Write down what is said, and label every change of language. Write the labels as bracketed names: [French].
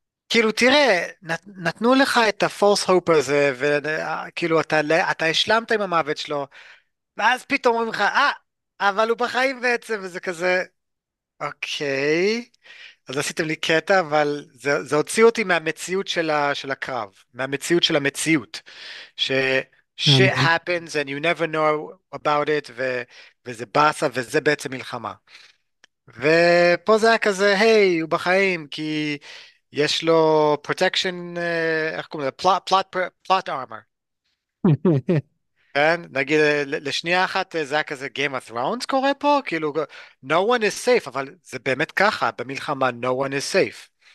[Hebrew] כאילו תראה, נתנו לך את הפולס הופ הזה, וכאילו אתה השלמת עם המוות שלו, ואז פתאום אומרים לך, אבל הוא בחיים בעצם, וזה כזה. אוקיי, אז עשיתם לי קטע, אבל זה הוציא אותי מהמציאות של הקרב, מהמציאות של המציאות. [English] shit happens and you never know about it, [Hebrew] וזה באסה, וזה בעצם מלחמה. ופה זה היה כזה, היי, הוא בחיים, כי יש לו protection, איך קוראים לזה? plot armor. כן, נגיד לשנייה אחת זה היה כזה Game of Thrones קורה פה, כאילו [English] no one is safe, [Hebrew] אבל זה באמת ככה, במלחמה [English] no one is safe.